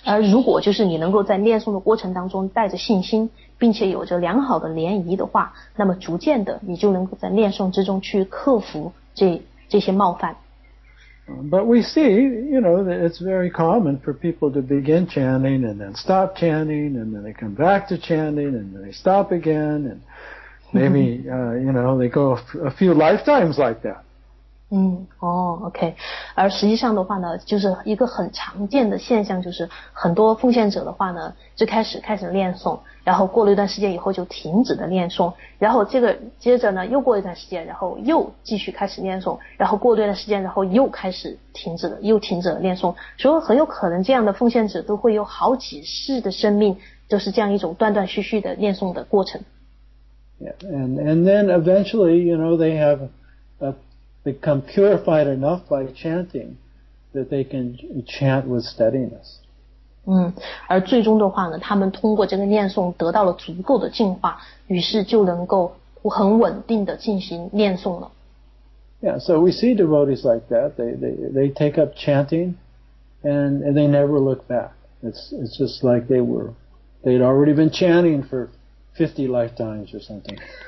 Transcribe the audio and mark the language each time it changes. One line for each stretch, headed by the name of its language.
Chinese: 如果就是你能够在念诵的过程当中带着信心，并且有着良好的涟漪的话，那么逐渐的你就能够在念诵之中去克服这些冒犯。
English: But we see, you know, that it's very common for people to begin chanting and then stop chanting and then they come back to chanting and then they stop again and maybe, you know, they go a few lifetimes like that.
Chinese: OK， 而实际上的话呢，就是一个很常见的现象，就是很多奉献者的话呢，就开始念诵，然后过了一段时间以后就停止了念诵，然后接着呢又过一段时间，然后又继续开始念诵，然后过了一段时间，然后又开始停止了念诵，所以很有可能这样的奉献者都会有好几世的生命，就是这样一种断断续续的念诵的过程。
English: And then eventually, you know, they have become purified enough by chanting that they can chant with steadiness.
Chinese: 而最终的话呢，他们通过这个念诵得到了足够的净化，于是就能够很稳定的进行念诵了。
English: Yeah, so we see devotees like that. They take up chanting, and they never look back. It's just like they'd already been chanting for 50 lifetimes or something.